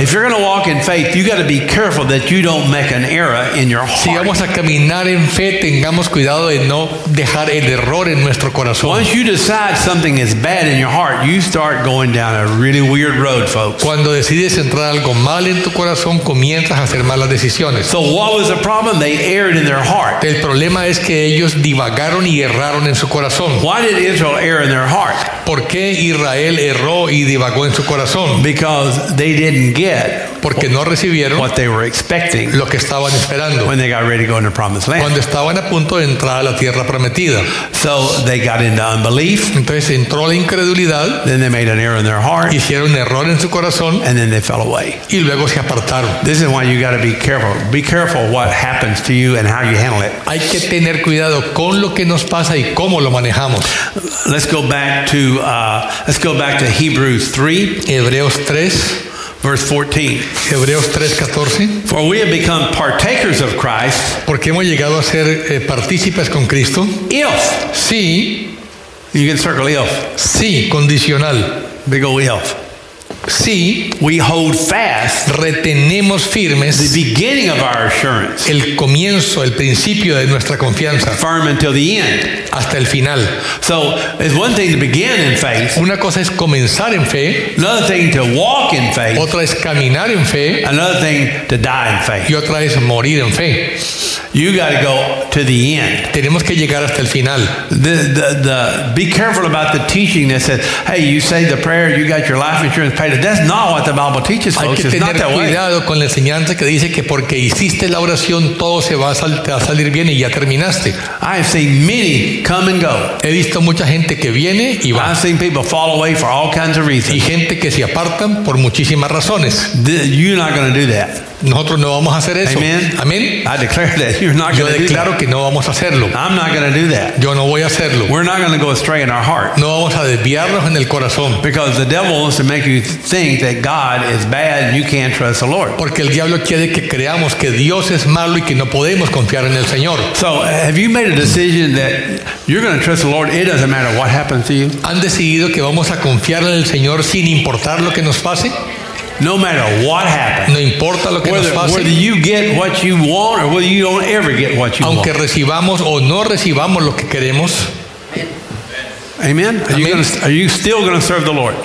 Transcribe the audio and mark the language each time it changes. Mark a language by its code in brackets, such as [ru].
[en] If you're going to walk in faith, you got to be careful that you don't make an error in your heart. [es] Si vamos a caminar en fe, tengamos cuidado de no dejar el error en nuestro corazón. [en] Once you decide something is bad in your heart, you start going down a really weird road, folks. [es] Cuando decides entrar algo mal en tu corazón, comienzas a hacer malas decisiones. [en] So what was the problem? They erred in their heart. [es] El problema es que ellos divagaron y erraron en su corazón. [en] Why did Israel err in their heart? [es] ¿Por qué Israel erró y divagó en su corazón? [en] Because they didn't get, [es] porque no recibieron [en] what they were expecting, [es] lo que estaban esperando, [en] when they got ready to go into promised land, [es] cuando estaban a punto de entrar a la tierra prometida. [en] So they got into unbelief. [es] Entonces entró la incredulidad. [en] Then they made an error in their heart. [es] Hicieron un error en su corazón. [en] And then they fell away. [es] Y luego se apartaron. [en] This is why you got to be careful. Be careful what happens to you and how you handle it. [es] Hay que tener cuidado con lo que nos pasa y cómo lo manejamos. [en] Let's go back to Hebrews 3. [es] Hebreos 3. [en] Verse 14. [es] Hebreos 3:14. [en] For we have become partakers of Christ. [es] Porque hemos llegado a ser partícipes con Cristo. [en] If. [es] Si. [en] You can circle if. [es] Si, condicional. [en] Big ol' if. [es] Si. [en] We hold fast. [es] Retenemos firmes. [en] The beginning of our assurance. [es] El comienzo, el principio de nuestra confianza. [en] Firm until the end. [es] Hasta el final. [en] So it's one thing to begin in faith. [es] Una cosa es comenzar en fe. [en] Another thing to walk in faith. [es] Otra es caminar en fe. [en] Another thing to die in faith. [es] Y otra es morir en fe. [en] You got to go to the end. [es] Tenemos que llegar hasta el final. [en] The be careful about the teaching that says, "Hey, you say the prayer, you got your life insurance paid." That's not what the Bible teaches, folks. It's not that way. [es] Hay que tener cuidado con la enseñanza que dice que porque hiciste la oración todo se va a salir bien y ya terminaste. [en] I've seen many come and go. [es] He visto mucha gente que viene y va. [en] I've seen people fall away for all kinds of reasons. [es] Y gente que se apartan por muchísimas razones. [en] You're not going to do that. [es] Nosotros no vamos a hacer eso. Amen. Amen. [en] I declare that you're not going to do that. [es] Yo declaro que no vamos a hacerlo. [en] I'm not going to do that. [es] Yo no voy a hacerlo. [en] We're not going to go astray in our heart. [es] No vamos a desviarnos en el corazón. [en] Because the devil wants to make you think that God is bad and you can't trust the Lord. [es] Porque el diablo quiere que creamos que Dios es malo y que no podemos confiar en el Señor. [en] So, have you made a decision that you're going to trust the Lord? It doesn't matter what happens to you. [es] ¿Han decidido que vamos a confiar en el Señor sin importar lo que nos pase? [en] No matter what happens, [es] no importa lo que [en] whether, [es] nos pase, [en] whether you get what you want or whether you don't ever get what you [es] aunque [en] want. [es] Recibamos o no recibamos lo que queremos. Amen. [en] Are you still going to serve the Lord?